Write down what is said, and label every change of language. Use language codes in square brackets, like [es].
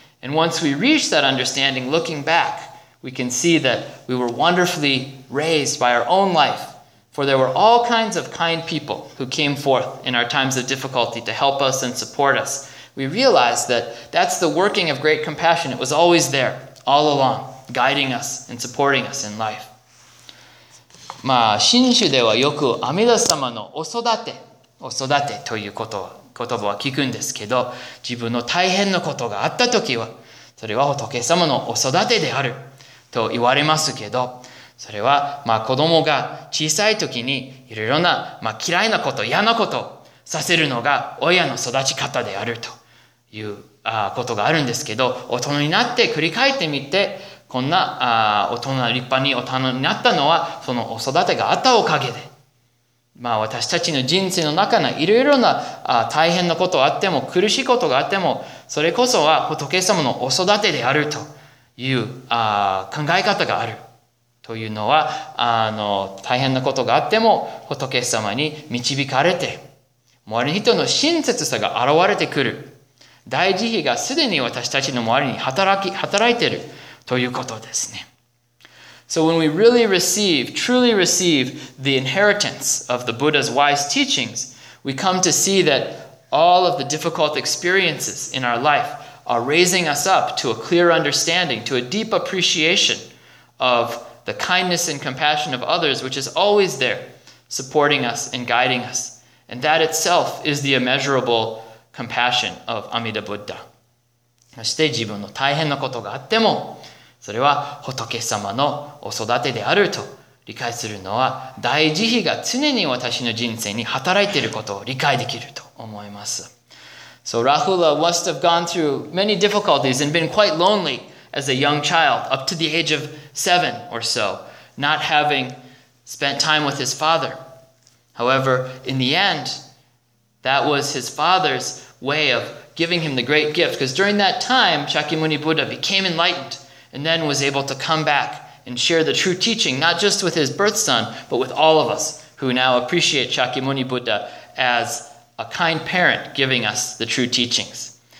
[en] And once we reach that understanding, looking back, we can see that we were wonderfully raised by our own life. For there were all kinds of kind people who came forth in our times of difficulty to help us and support us. We realized that that's the working of great compassion. It was always there, all along, guiding us and supporting us in life. [ja] まあ、真宗ではよく阿弥陀様のお育てということは言葉は聞くんですけど、自分の大変なことがあったときは、それは仏様のお育てであると言われますけど、それは、まあ子供が小さいときにいろいろな、まあ嫌いなこと、嫌なことをさせるのが親の育ち方であるということがあるんですけど、大人になって繰り返ってみて、こんな大人、立派に大人になったのは、そのお育てがあったおかげで、まあ私たちの人生の中のいろいろな大変なことがあっても苦しいことがあってもそれこそは仏様のお育てであるという考え方があるというのは大変なことがあっても仏様に導かれて周りの人の親切さが現れてくる大慈悲がすでに私たちの周りに働いているということですね。 [en] So when we really receive, truly receive the inheritance of the Buddha's wise teachings, we come to see that all of the difficult experiences in our life are raising us up to a clear understanding, to a deep appreciation of the kindness and compassion of others, which is always there, supporting us and guiding us. And that itself is the immeasurable compassion of Amida Buddha. [ja] そして自分の大変なことがあっても、それは仏様のお育てであると理解するのは大慈悲が常に私の人生に働いていることを理解できると思います。 [en] So Rahula must have gone through many difficulties and been quite lonely as a young child, up to the age of 7 or so, not having spent time with his father. However, in the end, that was his father's way of giving him the great gift, because during that time, Shakyamuni Buddha became enlightened and then was able to come back and share the true teaching, not just with his birth son, but with all of us who now appreciate Shakyamuni Buddha as a kind parent giving us the true teachings.